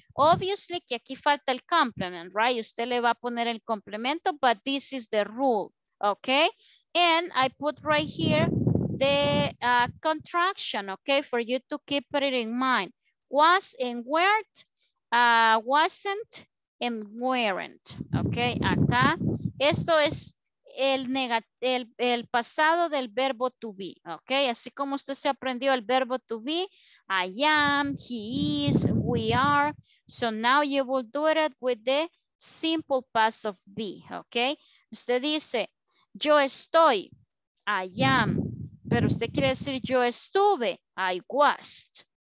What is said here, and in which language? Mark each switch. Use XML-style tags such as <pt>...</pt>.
<es>Obviously, que aquí falta el complement, right? Usted le va a poner el complemento,</es> <en>but this is the rule. Okay, and I put right here the contraction, okay, for you to keep it in mind. Was and weren't, wasn't and weren't.</en> <es>Okay, acá esto es el pasado del verbo to be. Okay, así como usted se aprendió el verbo to be,</es> <en>I am, he is, we are. So now you will do it with the simple past of be.</en> <es>Okay, usted dice yo estoy, I am, pero usted quiere decir yo estuve, I was.</es>